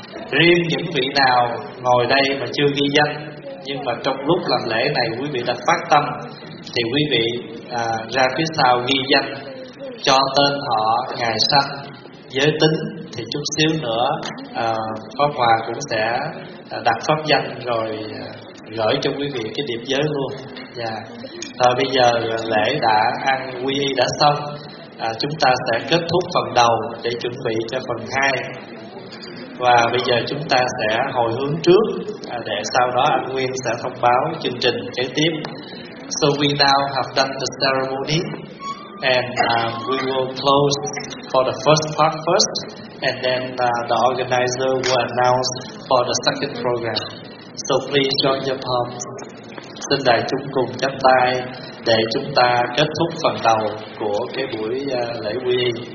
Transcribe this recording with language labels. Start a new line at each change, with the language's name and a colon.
Vietnamese: Riêng những vị nào ngồi đây mà chưa ghi danh nhưng mà trong lúc làm lễ này quý vị đã phát tâm thì quý vị ra phía sau ghi danh cho tên họ, ngày sanh, giới tính, thì chút xíu nữa Pháp Hòa cũng sẽ đặt pháp danh rồi gửi cho quý vị cái điệp giới luôn. Dạ. Rồi bây giờ lễ đã ăn quy y đã xong, chúng ta sẽ kết thúc phần đầu để chuẩn bị cho phần hai. Và bây giờ chúng ta sẽ hồi hướng trước để sau đó anh Nguyên sẽ thông báo chương trình kế tiếp.
English: So we now have done the ceremony and we will close for the first part first, and then the organizer will announce for the second program. So please join your palms.
Vietnamese: Xin đại chúng cùng chắp tay để chúng ta kết thúc phần đầu của cái buổi lễ quy y.